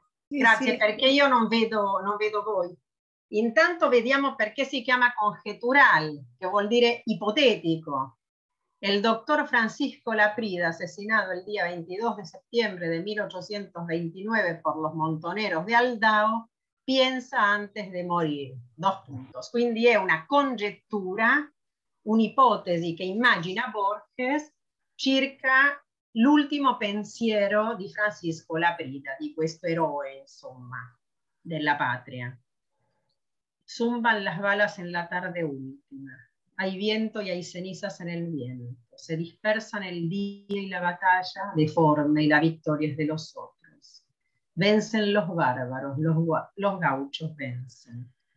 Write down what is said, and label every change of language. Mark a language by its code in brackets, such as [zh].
[it] Grazie, perché io non vedo voi. Intanto vediamo perché si chiama congettural, che vuol dire ipotetico. Il dottor Francisco Laprida, assassinato il [es] día 22 de septiembre de 1829 por los montoneros de Aldao, piensa antes de morir. Dos puntos. [it] Quindi è una congettura, un'ipotesi che immagina Borges circa l'ultimo pensiero di Francisco Laprida, di questo eroe, insomma, della patria. [es] Zumban las balas en la tarde última. Hay viento y hay cenizas en el viento. Se dispersan el día y la batalla deforme y la victoria es de los otros. Vencen los bárbaros, los gauchos vencen.